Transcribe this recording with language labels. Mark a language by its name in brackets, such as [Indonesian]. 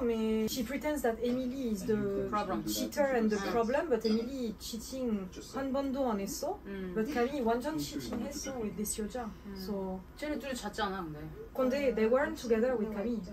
[English] But she pretends that Emily is the problem. Cheater and the problem. But [Korean] Emily cheating 한 번도 안 했어. [English] But Camille [Korean] 완전 [English] cheating [Korean] 했어 [English] with this 여자. So [Korean] 쟤네 둘이 잤잖아 근데. 근데 [English] they weren't together with Camille.